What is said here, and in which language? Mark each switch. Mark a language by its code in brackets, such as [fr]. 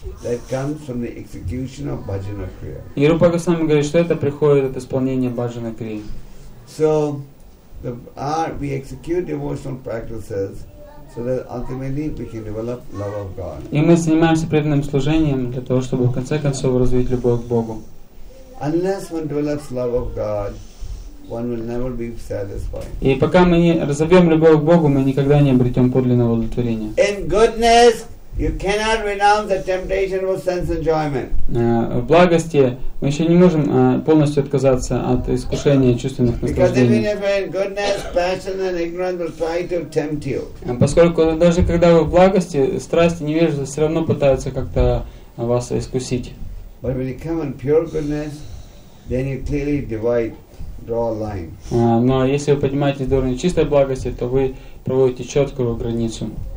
[en] That comes from the execution of Bhajana Kriya. [ru] И Рупа Госвами говорит, что это приходит от исполнения Бхаджана Крии. [en] So, we execute devotional practices so that ultimately we can develop love of God. [ru] И мы занимаемся преданным служением для того, чтобы в конце концов развить любовь к Богу. [en] Unless one develops love of God, one will never be satisfied. [ru] И пока мы не разобьем любовь к Богу, мы никогда не обретем подлинного удовлетворения. [en] In goodness, you cannot renounce the temptation of sense enjoyment. [ru] В благости мы еще не можем полностью отказаться от искушения чувственных наслаждений. [en] Because even if in goodness, passion and ignorance will try to tempt you. [ru] Поскольку даже когда вы в благости, страсть и невежество все равно пытаются как-то вас искусить. [en] But when you come in pure goodness, then you clearly divide. [ru] Но если вы поднимаетесь до уровня чистой благости, то вы проводите четкую границу.